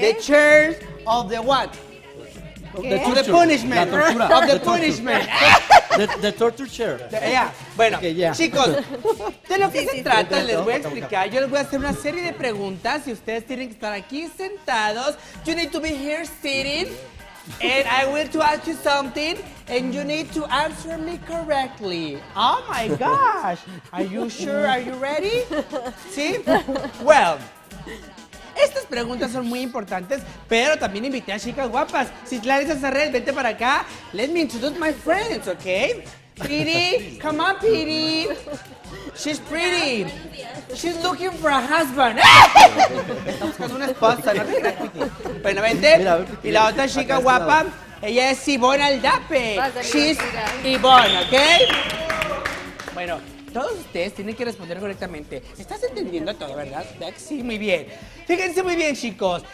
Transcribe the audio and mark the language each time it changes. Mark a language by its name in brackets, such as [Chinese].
[English] The chair of the what? The punishment. [Spanish] La tortura. [English] Of the punishment. The torture chair. Bueno, okay, yeah. [Spanish] Chicos, de lo que se trata, les voy a explicar. Yo les voy a hacer una serie de preguntas y ustedes tienen que estar aquí sentados. [English] You need to be here sitting and I will to ask you something and you need to answer me correctly. Oh my gosh. Are you sure? Are you ready? ¿Sí? [Spanish] Well, estas preguntas son muy importantes, pero también invité a chicas guapas. Si Clarissa Sarrell, vente para acá. [English] Let me introduce my friends, [Spanish] ¿ok? [English] Petey, come on, Petey. She's pretty. She's looking for a husband. [Spanish] Estamos con una esposa, ¿no? Bueno, vente. Y la otra chica guapa, ella es Ivonne Aldape. [English] She's Ivonne, [Spanish] ¿ok? Bueno, todos ustedes tienen que responder correctamente. ¿Estás entendiendo todo, verdad? Sí, muy bien. Fíjense muy bien, chicos.